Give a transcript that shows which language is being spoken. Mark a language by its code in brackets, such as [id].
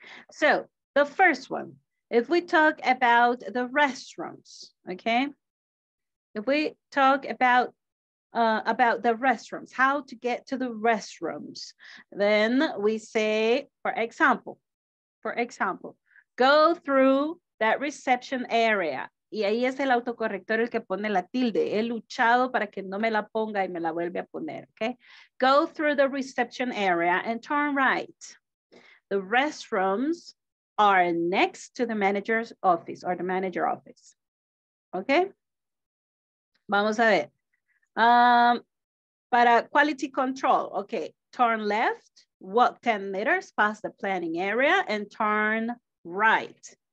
[en] So the first one, if we talk about the restrooms, okay? If we talk about the restrooms, how to get to the restrooms, then we say, for example, go through that reception area. [es] Y ahí es el autocorrector el que pone la tilde. He luchado para que no me la ponga y me la vuelve a poner, okay? [en] Go through the reception area and turn right. The restrooms are next to the manager's office or the manager office. Okay? [es] Vamos a ver. [en] Para quality control, okay, turn left, walk 10 meters past the planning area and turn right.